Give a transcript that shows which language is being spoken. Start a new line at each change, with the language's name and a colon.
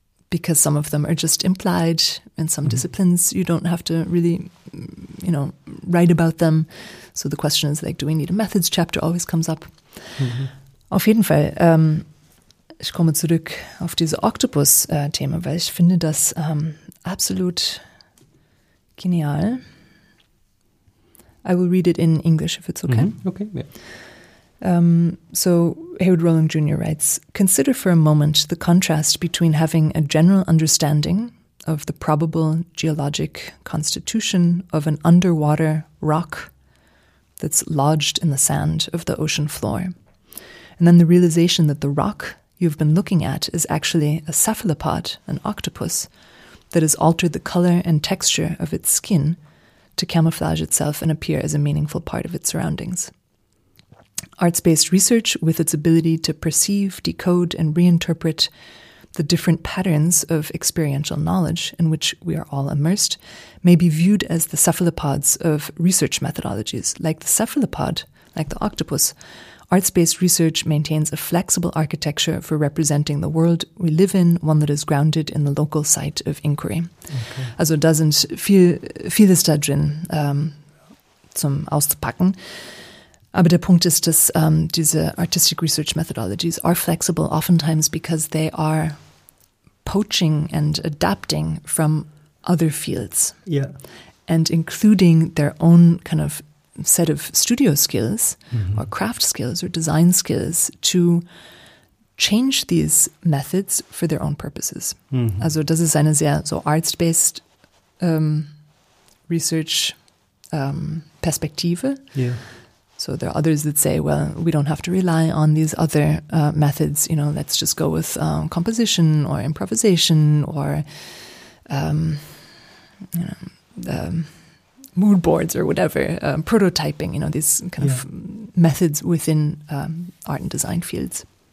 English: because some of them are just implied in some disciplines. You don't have to really, you know, write about them. So the question is, like, do we need a methods chapter? Always comes up. Mhm.
German: Auf jeden Fall, ich komme zurück auf diese Octopus-Thema, weil ich finde das absolut genial.
English: I will read it in English, if it's okay. Mm-hmm. Okay, yeah. So Heywood Roland Jr. writes, consider for a moment the contrast between having a general understanding of the probable geologic constitution of an underwater rock that's lodged in the sand of the ocean floor, and then the realization that the rock you've been looking at is actually a cephalopod, an octopus, that has altered the color and texture of its skin to camouflage itself and appear as a meaningful part of its surroundings. Arts-based research, with its ability to perceive, decode, and reinterpret the different patterns of experiential knowledge in which we are all immersed, may be viewed as the cephalopods of research methodologies. Like the cephalopod, like the octopus, arts-based research maintains a flexible architecture for representing the world we live in, one that is grounded in the local site of inquiry. Okay.
German: Also da sind vieles da drin zum Auszupacken. Aber der Punkt ist, dass diese
English: artistic research methodologies are flexible oftentimes because they are poaching and adapting from other fields. Yeah. And including their own kind of set of studio skills mm-hmm. or craft skills or design skills to change these methods for their own purposes. Mm-hmm.
German: Also das ist eine sehr so
English: arts-based research
German: Perspektive.
English: Yeah. So there are others that say, well, we don't have to rely on these other methods. You know, let's just go with composition or improvisation or mood boards or whatever, prototyping, you know, these kind of methods within art and design fields.